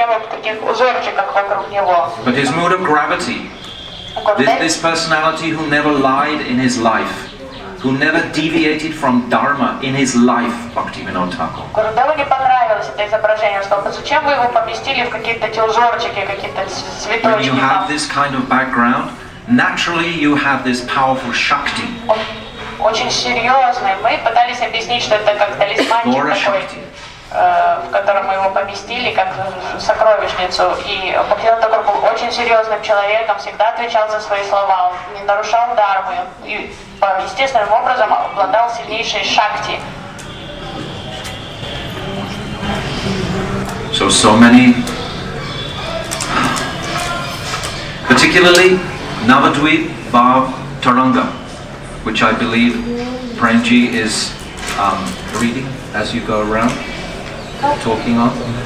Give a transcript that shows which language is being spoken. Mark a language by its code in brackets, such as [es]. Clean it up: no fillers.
[en] But his mood of gravity, this personality who never lied in his life, who never deviated from Dharma in his life, Bhaktivinoda Thakur. [ru] Gurudevu не понравилось это изображение, что зачем вы его поместили в какие-то тюльзорчики, какие-то цветочки. [en] When you have this kind of background, naturally you have this powerful Shakti. [ru] Очень серьезный. Мы пытались объяснить, что это как талисманчик такой, в котором мы его поместили, как сокровищницу. И Бхактивинода Такур был очень серьезным человеком, всегда отвечал за свои слова, он не нарушал дармы. И естественным образом обладал сильнейшей шакти. [en] So many, particularly Navadvip Bhav Taranga, which I believe Premji is reading as you go around. Talking on.